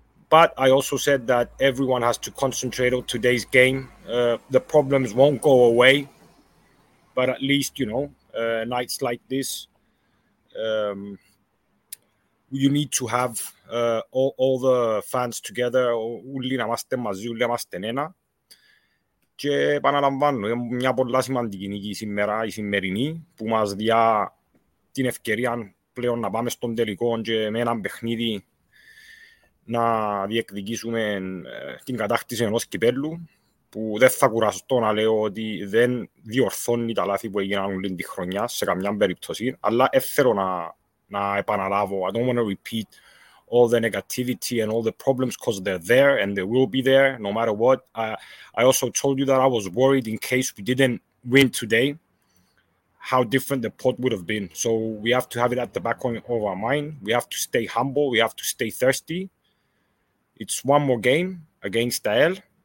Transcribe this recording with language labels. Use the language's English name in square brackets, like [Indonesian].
[English] But I also said that everyone has to concentrate on today's game. The problems won't go away. But at least, nights like this, you need to have all the fans together. [Greek] Όλοι να είμαστε μαζί, όλοι να είμαστε ένα. Και επαναλαμβάνω, μια πολλά σημαντική νίκη σήμερα, η σημερινή, που μας διά την ευκαιρία πλέον να πάμε στον τελικό και με έναν παιχνίδι να διεκδικήσουμε την κατάκτηση ενός κυπέλλου, που δεν θα κουραστώ να λέω ότι δεν διορθώνει τα λάθη που έγιναν όλη τη χρονιά σε καμιά περίπτωση, αλλά θέλω να επαναλάβω. [English] I don't want to repeat all the negativity and all the problems because they're there and they will be there no matter what. I also told you that I was worried in case we didn't win today how different the pot would have been. So we have to have it at the back of our mind. We have to stay humble. We have to stay thirsty. It's one more game against AEL.